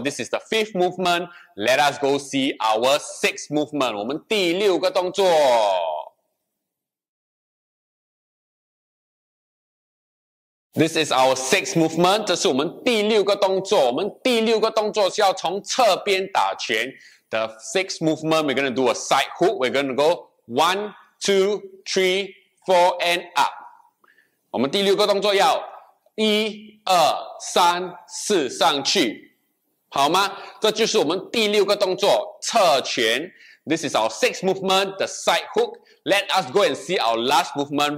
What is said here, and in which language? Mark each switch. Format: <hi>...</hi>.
<en>This is the fifth movement. Let us go see our sixth movement.</en> <zh>我们第六个动作。</zh> <en>This is our sixth movement. 这是我们第六个动作。</en> <zh>我们第六个动作是要从侧边打拳。</zh> <en>The sixth movement, we're gonna do a side hook. We're gonna go one, two, three, four, and up.</en> <zh>我们第六个动作要一、二、三、四上去。好吗？这就是我们第六个动作，侧拳。</zh> <en>This is our sixth movement, the side hook. Let us go and see our last movement.</en>